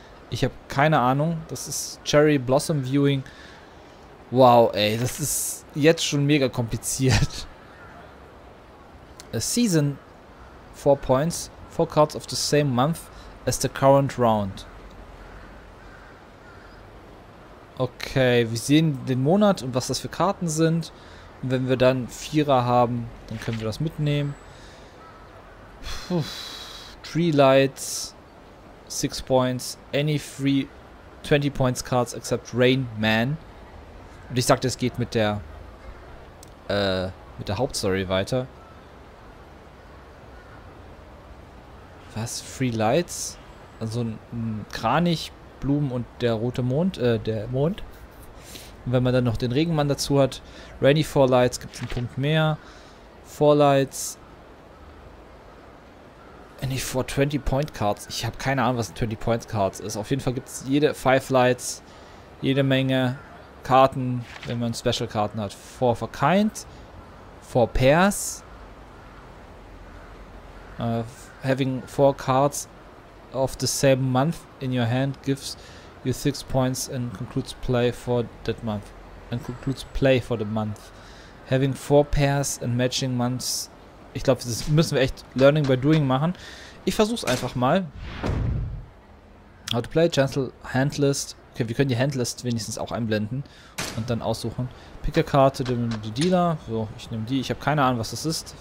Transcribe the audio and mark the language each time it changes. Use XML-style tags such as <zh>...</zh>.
<de>Ich habe keine Ahnung. Das ist Cherry Blossom Viewing. Wow, ey. Das ist jetzt schon mega kompliziert.</de> <en>A Season. 4 Points. 4 Cards of the same month as the current round. Okay.</en> <de>Wir sehen den Monat und was das für Karten sind. Und wenn wir dann 4er haben, dann können wir das mitnehmen.</de> <en>Puh, Tree Lights. 6 points, any 3 20 points cards except Rain Man.</en> <de>Und ich sagte, es geht mit der Hauptstory weiter. Was? 3 Lights? Also ein Kranich, Blumen und der rote Mond, der Mond. Und wenn man dann noch den Regenmann dazu hat, Rainy 4 Lights, gibt es einen Punkt mehr. 4 Lights.</de> <en>Any 4 20 Point Cards.</en> <de>Ich habe keine Ahnung, was ein 20 Point Cards ist. Auf jeden Fall gibt es jede 5 Lights, jede Menge Karten, wenn man Special Karten hat.</de> <en>4 for Kind, 4 Pairs. Having 4 Cards of the same month in your hand gives you 6 points and concludes play for that month. And concludes play for the month. Having 4 Pairs and matching months.</en> <de>Ich glaube, das müssen wir echt Learning by Doing machen. Ich versuch's einfach mal.</de> <en>How to play,</en> <de>Chancel, Handlist. Okay, wir können die Handlist wenigstens auch einblenden. Und dann aussuchen.</de> <en>Pick a card to the dealer.</en> <de>So, ich nehme die. Ich habe keine Ahnung, was das ist.</de>